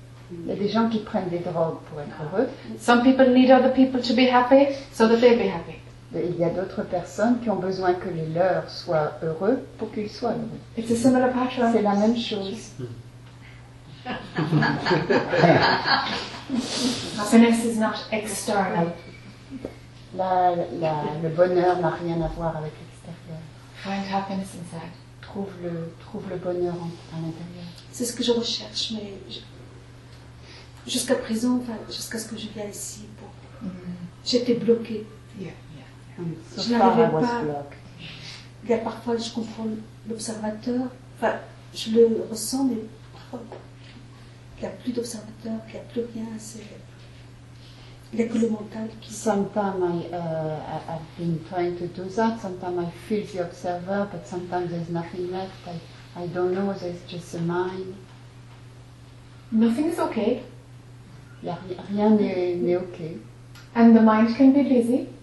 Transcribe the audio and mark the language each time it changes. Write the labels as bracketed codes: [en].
[fr] Il y a des gens qui prennent des drogues pour être heureux. [en] Some people need other people to be happy so that they'll be happy. [fr] Il y a d'autres personnes qui ont besoin que les leurs soient heureux pour qu'ils soient heureux. [en] It's a similar pattern. [fr] C'est la même chose. [en] Happiness is not external. [fr] Le bonheur n'a rien à voir avec l'extérieur. [en] Find happiness inside. [fr] Trouve le bonheur à l'intérieur. C'est ce que je recherche, mais jusqu'à présent, enfin, jusqu'à ce que je vienne ici, pour... J'étais bloquée. [en] Yeah. [fr] So je n'arrivais pas. [en] Blocked. [fr] Il y a parfois, je comprends l'observateur. Enfin, je le ressens, mais parfois. Il n'y a plus d'observateur, il n'y a plus rien, il n'y a que le mental qui... [en] Sometimes I've been trying to do that, sometimes I feel the observer, but sometimes there's nothing left, I don't know, there's just the mind. Nothing is okay. [fr] Rien n'est okay. [en] And the mind can be busy.